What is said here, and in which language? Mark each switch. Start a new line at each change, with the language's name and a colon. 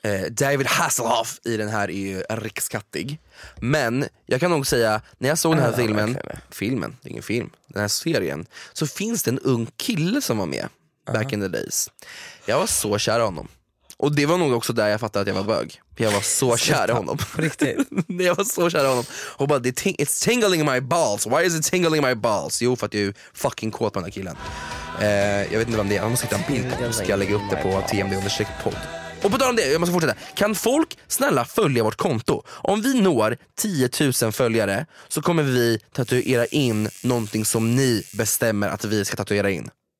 Swedish: David Hasselhoff i den här är ju rikskattig. Men jag kan nog säga, när jag såg den här filmen, det är ingen film, den här serien, så finns det en ung kille som var med
English: back in the days.
Swedish: Jag var så kär i honom. Och det var nog också där jag fattade att jag var bög. Jag var så kär i honom. Riktigt. Nej, jag var så kär i honom. Och bara,
English: it's tingling in my balls. Why is it tingling in my balls?
Swedish: Jo, för att jag är fucking kåt på den här killen. Jag vet inte vem det är. Jag måste hitta en bild på, ska jag lägga upp det på TMD-podd. Och på tal om det, jag måste fortsätta. Kan folk snälla följa vårt konto? Om vi når 10 000 följare så kommer vi tatuera in någonting som ni bestämmer att vi ska tatuera in.